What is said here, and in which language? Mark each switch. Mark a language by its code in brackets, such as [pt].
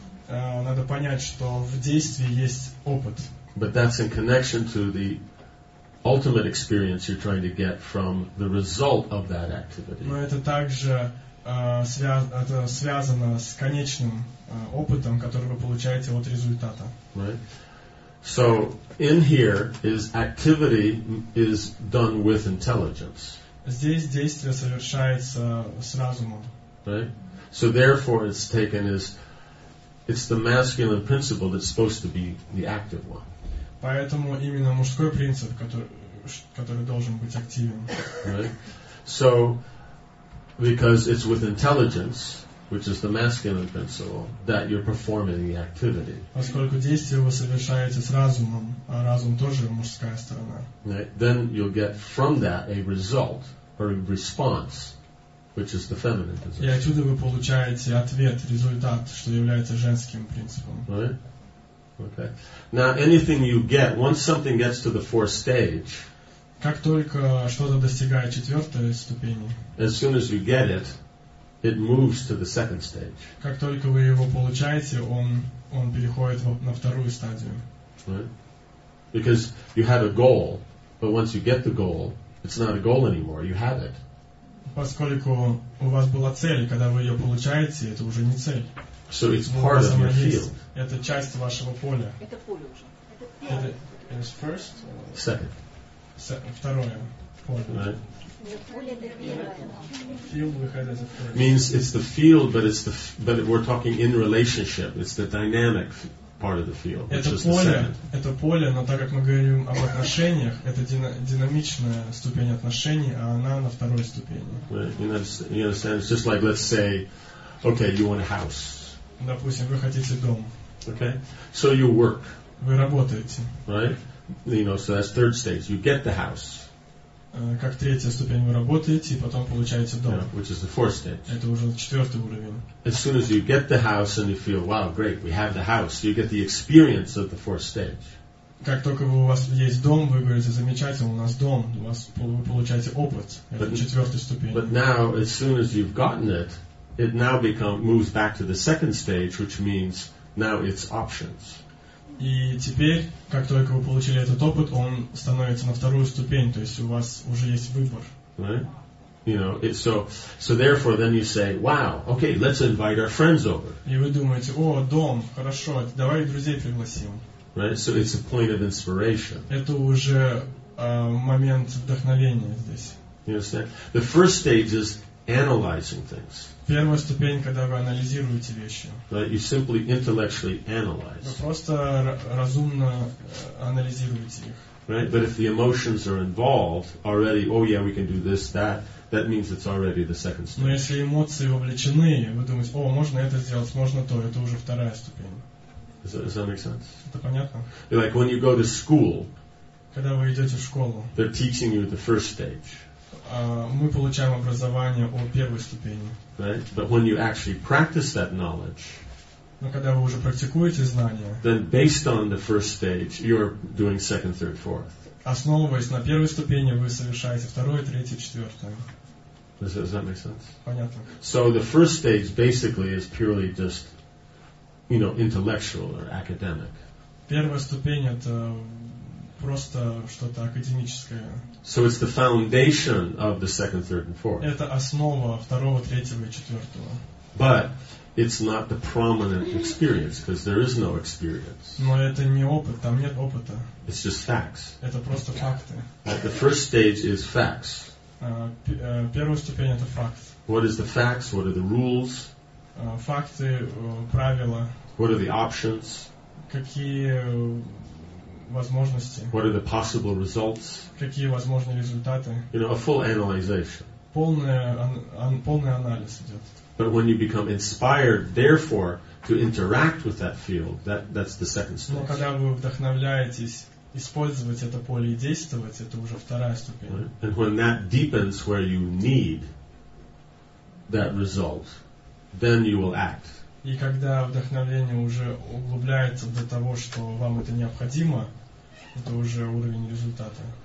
[ru] Надо понять, что в действии есть опыт. [en] But that's in connection to the ultimate experience you're trying to get from the result of that activity. [ru] Но это также это связано с конечным опытом, который вы получаете от результата. [en] Right. So in here is activity is done with intelligence. [ru] Здесь действие совершается с разумом. [en] Right. So therefore it's taken as it's the masculine principle that's supposed to be the active one. [ru] Поэтому именно мужской принцип, который должен быть активен. [en] Right. So because it's with intelligence, which is the masculine principle, that you're performing the activity. [ru] Поскольку действие вы совершаете с разумом, а разум тоже мужская сторона. [en] Right. Then you'll get from that a result or a response, which is the feminine position. [ru] И отсюда вы получаете ответ, результат, что является женским принципом. [en] Right? Okay. Now, anything you get, once something gets to the fourth stage, [ru] как только что-то достигает четвертой ступени, [en] as soon as you get it, it moves to the second stage. [ru] Как только вы его получаете, он переходит на вторую стадию. [en] Right? Because you have a goal, but once you get the goal, it's not a goal anymore, you have it. [ru] Поскольку у вас была цель, когда вы ее получаете, это уже не цель. [en] So it's part of your field. [ru] Это часть вашего поля. Это поле уже. [en] It's first? Second. [ru] Второе поле. [en] Right. Field we had as a first. Means it's the field, but it's the but we're talking in relationship. It's the dynamic part of the field. [ru] Это поле, но так как мы говорим об отношениях, это динамичная ступень отношений, а она на второй ступени. [en] Right. You understand? It's just like, let's say, okay, you want a house. [ru] Допустим, вы хотите дом. [en] Okay. So you work. [ru] Вы работаете. [en] Right? You know, so that's third stage. You get the house. [ru] Как третья ступень вы работаете, и потом получаете дом. [en] Yeah, which is the fourth stage. [ru] Это уже четвертый уровень. [en] As soon as you get the house and you feel, wow, great, we have the house, you get the experience of the fourth stage. [ru] Как только у вас есть дом, вы говорите, замечательно, у нас дом, вы получаете опыт. Это четвертая ступень. [en] But now, as soon as you've gotten it, it now moves back to the second stage, which means now it's options. [ru] И теперь, как только вы получили этот опыт, он становится на вторую ступень, то есть у вас уже есть выбор. [en] Right? You know, so therefore then you say, wow, okay, let's invite our friends over. [ru] И вы думаете, о, дом, хорошо, давай друзей пригласим. [en] Right? So it's a point of inspiration. [ru] Это уже момент вдохновения здесь. [en] You understand? The first stage is analyzing things. [ru] Первая ступень, когда вы анализируете вещи. [en] Right, you simply intellectually analyze. [ru] Вы просто разумно анализируете их. [en] Right, but if the emotions are involved already, oh yeah, we can do this, that. That means it's already the second stage. [ru] Но если эмоции вовлечены, вы думаете, о, можно это сделать, можно то, это уже вторая ступень. [en] Does that make sense? [ru] Это понятно? [en] Like when you go to school. [ru] Когда вы идете в школу. [en] They're teaching you the first stage. [ru] Мы получаем образование о первой ступени. [en] Right? But when you actually practice that knowledge, [ru] но когда вы уже практикуете знания, [en] then based on the first stage, you're doing second, third, fourth. [ru] Основываясь на первой ступени, вы совершаете второе, третье, четвертое. [en] Does that make sense? [ru] Понятно. [en] So the first stage basically is purely just, you know, intellectual or academic. [ru] Первая ступень это просто что-то академическое. [en] So it's the foundation of the second, third, and fourth. [ru] Это основа второго, третьего и четвертого. [en] But it's not the prominent experience because there is no experience. [ru] Но это не опыт, там нет опыта. [en] It's just facts. [ru] Это просто факты. [en] The first stage is facts. [ru] Первая ступень это факт. [en] What is the facts? What are the rules? [ru] Факты, правила. [en] What are the options? [ru] Какие возможности? [en] What are the possible results? [ru] Какие возможные результаты? [en] You know, a full analyzation. [ru] Полный анализ идет. [en] But when you become inspired, therefore, to interact with that field, that's the second stage. [ru] Но когда вы вдохновляетесь использовать это поле и действовать, это уже вторая ступень. [en] Right. And when that deepens where you need that result, then you will act. [ru] И когда вдохновение уже углубляется до того, что вам это необходимо, это уже уровень результата.